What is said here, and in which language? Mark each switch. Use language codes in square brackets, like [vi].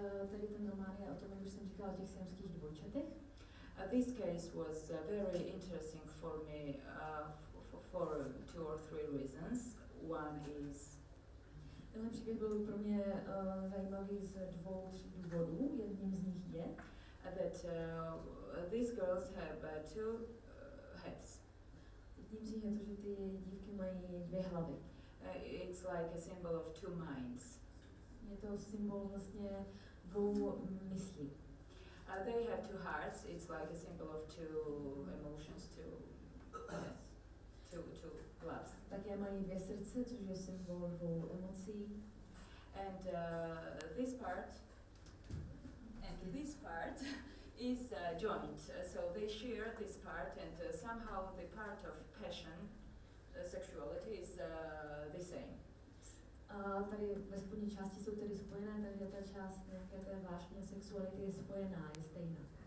[cs] Tady ten román je o tom, jak už jsem říkala, o těch siamských dvojčatech. [en] This case was very interesting for me for two or three reasons. One is... [cs] Tenhle příběh byl pro mě zajímavý z dvou, tří důvodů. Jedním z nich je... [en] That these girls have two heads. [cs] Jedním z nich je to, že ty dívky mají dvě hlavy. [en] It's like a symbol of two minds. [cs] Je to symbol vlastně dvou myslí. [en] They have two hearts. It's like a symbol of two emotions, two yes, two loves. [cs] Také mají dvě srdce, což je symbol dvou emocí. [en] And this part is joint. So they share this part, and somehow the part of passion, sexuality, is the same. [cs] Tady ve spodní části jsou tedy spojené, takže ta část nějaké té vášně sexuality je spojená, je stejná.